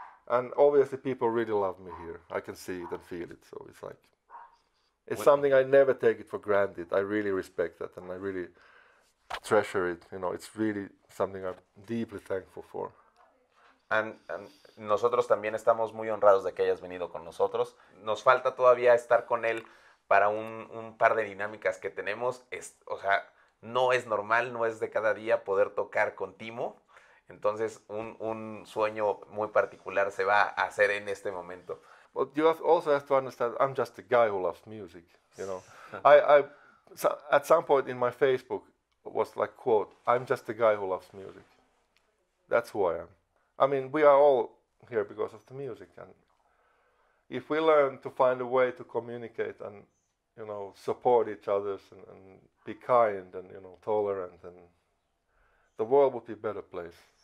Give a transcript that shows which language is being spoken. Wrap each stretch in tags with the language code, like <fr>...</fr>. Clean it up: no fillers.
<en>And obviously people really love me here. I can see it and feel it. So it's like, it's something I never take it for granted. I really respect that and I really treasure it. You know, it's really something I'm deeply thankful for. And</en> <es>nosotros también estamos muy honrados de que hayas venido con nosotros. Nos falta todavía estar con él para un par de dinámicas que tenemos. O sea, no es normal, no es de cada día poder tocar con Timo. Entonces, un sueño muy particular se va a hacer en este momento.</es> <en>But you also have to understand, I'm just a guy who loves music, you know. So at some point in my Facebook was like, quote, I'm just a guy who loves music. That's who I am. I mean, we are all here because of the music. And if we learn to find a way to communicate and, you know, support each other and be kind and, you know, tolerant, and the world would be a better place.</en>